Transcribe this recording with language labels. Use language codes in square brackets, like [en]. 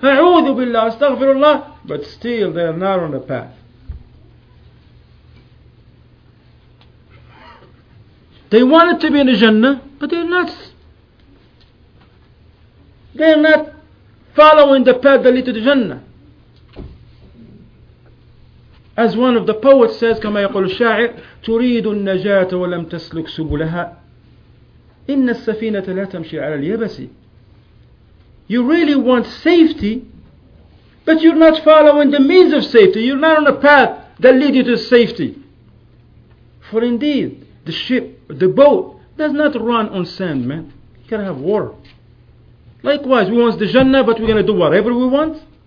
[ar] A'udhu billah, astaghfirullah. [en] But still, they are not on the path. They wanted to be in the Jannah, but they're not. They're not following the path that leads to the Jannah. As one of the poets says, [ar] كما يقول الشاعر, تريد النجاة ولم تسلك سبلها إن السفينة لا تمشي على اليابس. [en] You really want safety, but you're not following the means of safety. You're not on a path that leads you to safety. For indeed, the ship, the boat, does not run on sand, man. You can have war. Likewise, we want the Jannah, but we're going to do whatever we want.